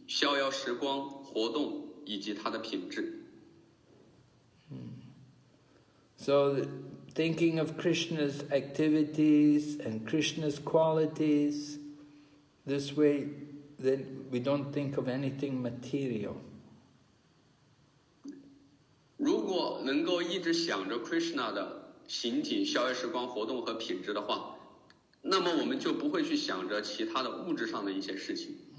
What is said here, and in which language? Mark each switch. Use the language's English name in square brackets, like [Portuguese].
[Chinese] 逍遥时光活动以及它的品质。 [English] So thinking of Krishna's activities and Krishna's qualities, this way then we don't think of anything material. [Chinese] 如果能够一直想着 Krishna的形体、逍遥时光活动和品质的话， 那么我们就不会去想着其他的物质上的一些事情。